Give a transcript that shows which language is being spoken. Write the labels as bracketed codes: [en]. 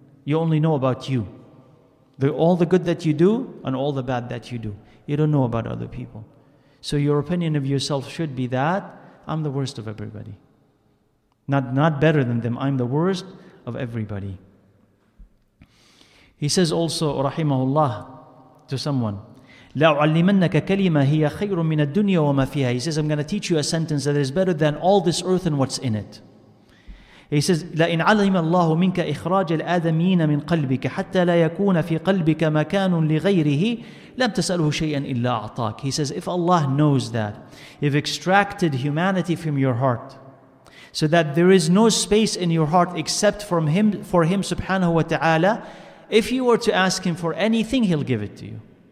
[en] You only know about you. All the good that you do and all the bad that you do. You don't know about other people. So your opinion of yourself should be that I'm the worst of everybody. Not better than them. I'm the worst of everybody. He says also, rahimahullah, to someone, [ar] لَأُعَلِّمَنَّكَ كَلِمَةً هِيَ خَيْرٌ مِنَ الدُّنْيَا وَمَا فِيهَا. [en] He says, I'm going to teach you a sentence that is better than all this earth and what's in it. He says, [ar] لَإِنْ عَلِمَ اللَّهُ مِنْكَ إِخْرَاجَ الْآدَمِينَ مِنْ قَلْبِكَ حَتَّى لَا يَكُونَ فِي قَلْبِكَ مَكَانٌ لِغَيْرِهِ لَمْ تَسَأْلُهُ شَيْئًا إِلَّا أَعْطَاكَ. [en] He says, if Allah knows that, you've extracted humanity from your heart, so that there is no space in your heart except from Him, for Him subhanahu wa ta'ala, if you were to ask Him for anything, He'll give it to you.